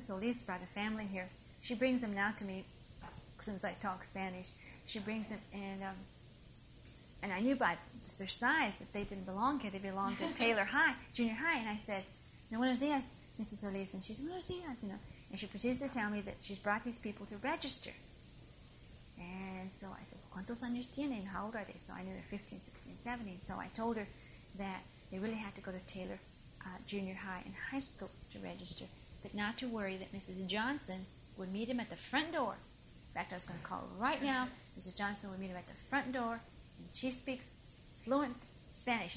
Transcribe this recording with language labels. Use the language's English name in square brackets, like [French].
[English] Solis brought a family here. She brings them now to me, since I talk Spanish. She brings them, and I knew by just their size that they didn't belong here. They belonged to Taylor High, Junior High. And I said, [Spanish] "No, buenos días, [English] Mrs. Solis." And she said, [Spanish] "Buenos días," [English] you know. And she proceeds to tell me that she's brought these people to register. And so I said, [Spanish] "¿Cuántos años tienen? [English] How old are they?" So I knew they're 15, 16, 17. So I told her that they really had to go to Taylor Junior High and High School to register, but not to worry that Mrs. Johnson would meet him at the front door. In fact, I was going to call right now. Mrs. Johnson would meet him at the front door, and she speaks fluent Spanish.